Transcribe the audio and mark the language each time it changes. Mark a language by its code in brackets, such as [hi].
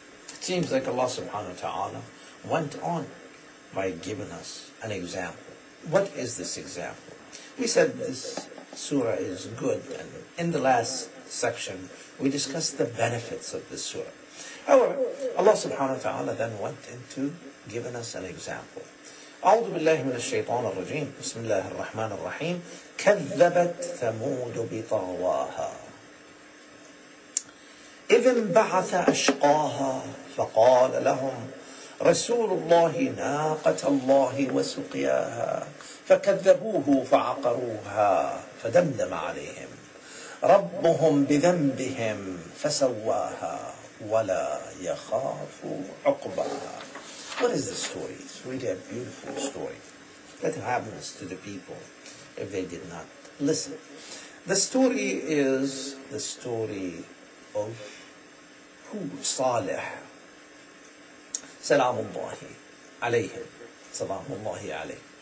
[en] It seems like Allah subhanahu wa ta'ala went on by giving us an example. What is this example? We said this surah is good, and in the last section we discussed the benefits of this surah. However, Allah subhanahu wa ta'ala then went into giving us an example. [ar] أعوذ بالله من الشيطان الرجيم. بسم الله الرحمن الرحيم. كذبت ثمود بطغواها إذ انبعث أشقاها فقال لهم رسول الله ناقة الله وسقياها فكذبوه فعقروها فدمدم عليهم ربهم بذنبهم فسواها ولا يخاف عقباها. [en] What is the story? It's really a beautiful story. That happens to the people if they did not listen. The story is the story of who? Salih. Salamullahi alayhi. Salamullahi alayhi.